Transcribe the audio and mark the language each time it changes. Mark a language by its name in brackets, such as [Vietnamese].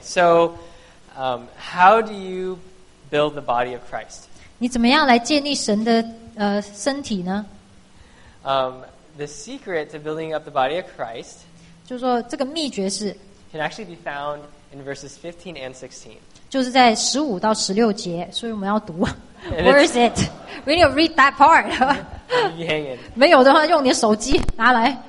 [English] So, how do you build the body of Christ? [Chinese] 你怎么样来建立神的身体呢? [English] The secret to building up the body of Christ [Chinese] 就是说这个秘诀是 [English] can actually be found in verses 15 and 16. [Chinese] 就是在15到16节, 所以我们要读。 [English] Where is it? We need to read that part. You hang in. [Chinese] 没有的话用你的手机拿来。